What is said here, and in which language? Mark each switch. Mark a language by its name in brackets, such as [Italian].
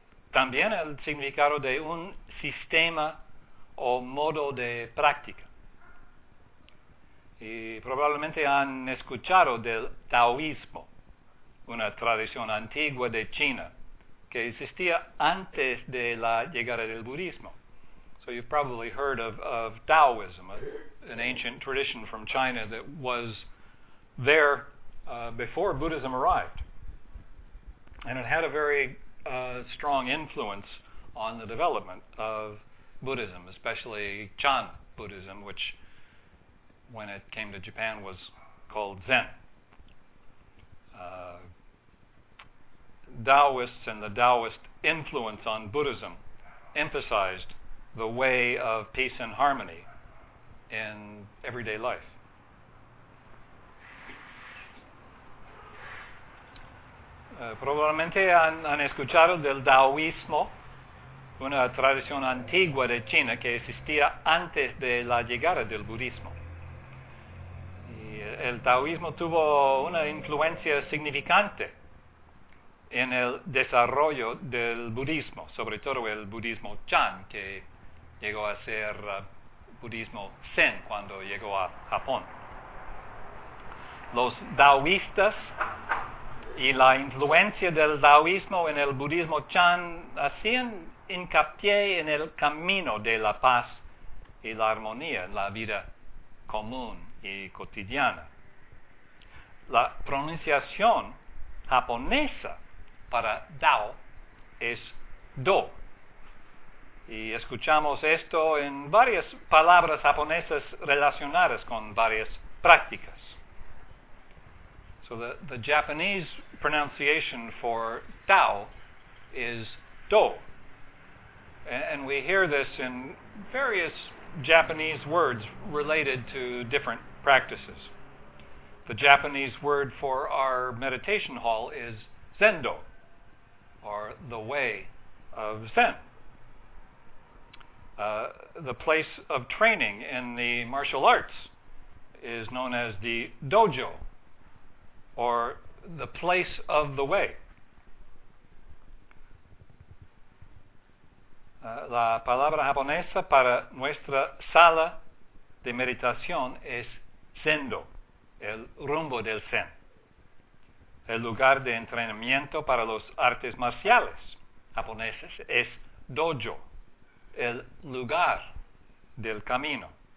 [Spanish] También el significado de un sistema o modo de práctica. Y probablemente han escuchado del taoísmo, una tradición antigua de China que existía antes de la llegada del budismo. [English] So you've probably heard of Taoism, an ancient tradition from China that was there before Buddhism arrived. And it had a very strong influence on the development of Buddhism, especially Chan Buddhism, which when it came to Japan was called Zen. Taoists and the Taoist influence on Buddhism emphasized the way of peace and harmony in everyday life. [Spanish] Probablemente han escuchado del Taoísmo, una tradición antigua de China que existía antes de la llegada del budismo. Y el Taoísmo tuvo una influencia significante en el desarrollo del budismo, sobre todo el budismo Chan, que llegó a ser budismo Zen cuando llegó a Japón. Los taoístas y la influencia del taoísmo en el budismo Chan hacían hincapié en el camino de la paz y la armonía en la vida común y cotidiana. La pronunciación japonesa para Dao es Do. Y escuchamos esto en varias palabras japonesas relacionadas con varias prácticas. [English] So the Japanese pronunciation for Tao is Do. And we hear this in various Japanese words related to different practices. The Japanese word for our meditation hall is Zendo, or the way of Zen. The place of training in the martial arts is known as the dojo, or the place of the way. [Spanish] La palabra japonesa para nuestra sala de meditación es sendo, el rumbo del zen, el lugar de entrenamiento para los artes marciales japoneses es dojo, el lugar del camino.